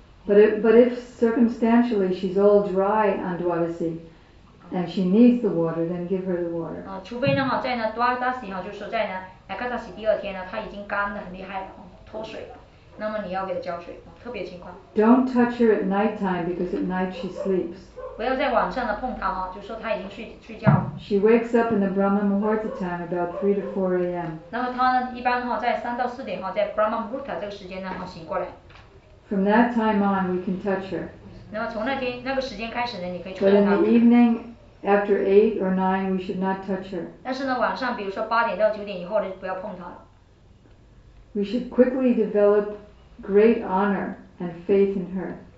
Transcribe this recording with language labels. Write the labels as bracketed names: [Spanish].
[English] But if circumstantially she's all dry on Dwadasi, and she needs the water, then give her the water. [Chinese] 除非呢在呢 Dwadasi 就是在呢 Ekadasi 第二天呢，她已经干得很厉害了，脱水了，那么你要给她浇水，特别情况。 [English] Don't touch her at night time because at night she sleeps. [Chinese] 不要在晚上的碰它哈，就说它已经睡觉了。 [English] She wakes up in the Brahma Muhurta time about 3 to 4 a.m. [Chinese] 那么它呢，一般哈在3到4点哈，在 Brahma Muhurta 这个时间呢哈醒过来。 [English] From that time on, we can touch her. [Chinese] 那么从那个时间开始呢，你可以触碰它。 [English] But in the evening after 8 or 9, we should not touch her. [Chinese] 但是呢，晚上比如说8点到9点以后呢，就不要碰它了。 [English] We should quickly develop great honor and faith in her.